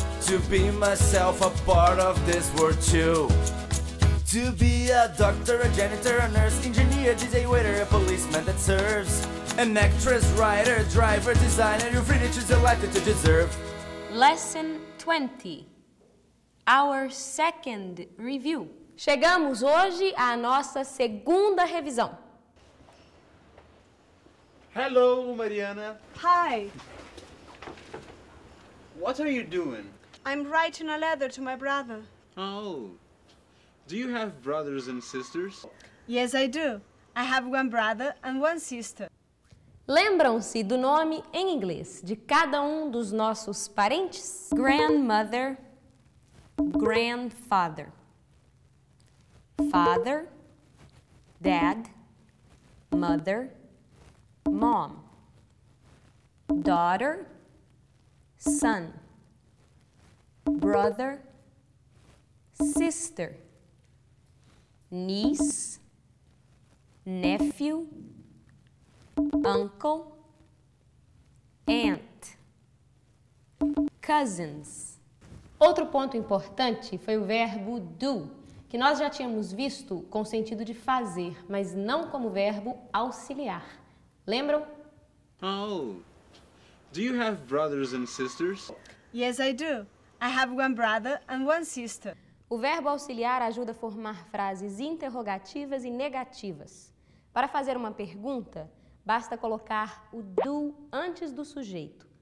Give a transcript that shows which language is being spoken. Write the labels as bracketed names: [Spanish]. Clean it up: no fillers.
[English] To be myself a part of this world too. To be a doctor, a janitor, a nurse, engineer, DJ, waiter, a policeman that serves. An actress, writer, driver, designer, you're free to choose the life that you deserve. Lesson 20. Our second review. [Portuguese] Chegamos hoje à nossa segunda revisão. [English] Hello, Mariana. Hi. What are you doing? I'm writing a letter to my brother. Oh. Do you have brothers and sisters? Yes, I do. I have one brother and one sister. [Portuguese] Lembram-se do nome em inglês de cada um dos nossos parentes? [English] Grandmother, grandfather, father, dad, mother, mom, daughter, son, brother, sister, niece, nephew, uncle, aunt, cousins. [Portuguese] Outro ponto importante foi o verbo do, que nós já tínhamos visto com o sentido de fazer, mas não como verbo auxiliar. Lembram? [English] Oh, do you have brothers and sisters? Yes, I do. I have one brother and one sister. [Portuguese] O verbo auxiliar ajuda a formar frases interrogativas e negativas. Para fazer uma pergunta, basta colocar o do antes do sujeito.